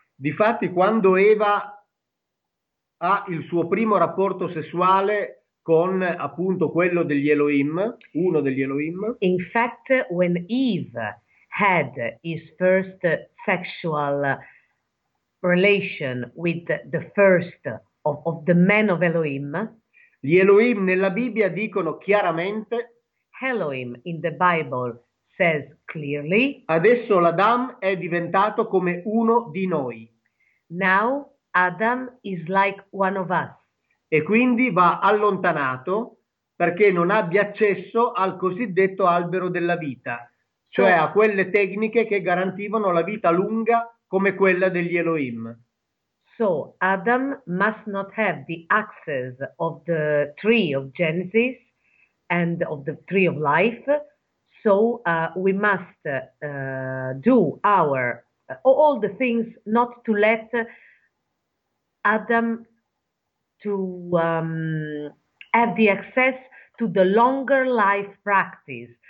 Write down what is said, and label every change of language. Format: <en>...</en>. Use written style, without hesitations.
<it>Difatti, quando Eva ha il suo primo rapporto sessuale con appunto quello degli Elohim, uno degli Elohim,</it> <en>In fact, when Eve had his first sexual relation with the first of the men of</en> <it>gli Elohim nella Bibbia dicono chiaramente,</it> <en>Elohim in the Bible says clearly,</en> <it>adesso l'Adam è diventato come uno di noi.</it> <en>Now Adam is like one of us.</en> <it>E quindi va allontanato perché non abbia accesso al cosiddetto albero della vita, cioè a quelle tecniche che garantivano la vita lunga come quella degli Elohim.</it> <en>So Adam must not have the access of the tree of Genesis and of the tree of life. So we must do our all the things not to let Adam to have the access to the longer life practice.</en>